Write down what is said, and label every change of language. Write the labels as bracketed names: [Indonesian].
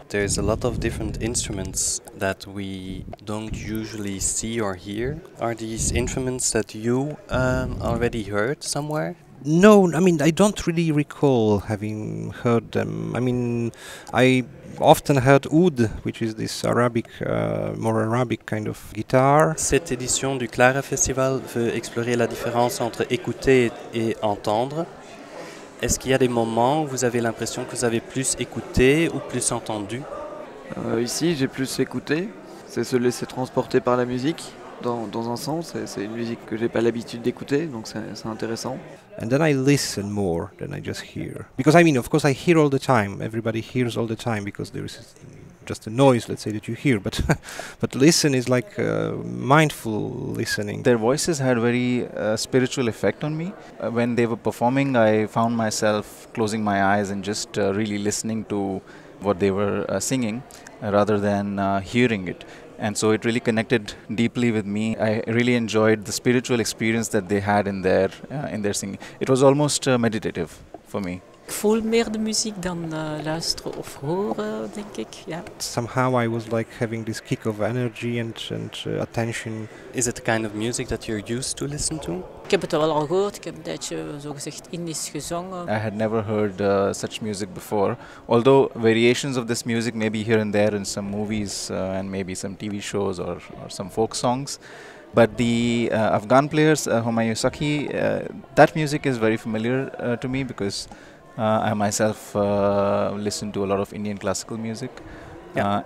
[English] There's a lot of different instruments that we don't usually see or hear. Are these instruments that you already heard somewhere? No, I mean, I don't really recall having heard them. I mean, I often heard oud, which is this Arabic, more Arabic kind of guitar. [French] Cette édition du Klarafestival veut explorer la différence entre écouter et entendre. Est-ce qu'il y a des moments où vous avez l'impression que vous avez plus écouté ou plus entendu? Ici, j'ai plus écouté. C'est se laisser transporter par la musique. Dans un sens, c'est une musique que j'ai pas l'habitude d'écouter, donc c'est intéressant. [English] And then I listen more than I just hear, because I mean, of course, I hear all the time. Everybody hears all the time because there is just a noise, let's say, that you hear. But but listen is like mindful listening. Their voices had very spiritual effect on me. When they were performing, I found myself closing my eyes and just really listening to what they were singing, rather than hearing it. And so it really connected deeply with me. I really enjoyed the spiritual experience that they had in their singing. It was almost meditative for me. [Dutch] Veel meer de muziek dan luisteren of horen, denk ik. [English] Yeah. Somehow I was like having this kick of energy and attention. Is it the kind of music that you're used to listen to? [Dutch] Ik heb het wel al gehoord. Ik heb een tijdje zo gezegd Indisch gezongen. [English] I had never heard such music before. Although variations of this music maybe here and there in some movies and maybe some TV shows or some folk songs. But the Afghan players, Homayoun, Sakhi, that music is very familiar to me because I myself listen to a lot of Indian classical music. Yeah.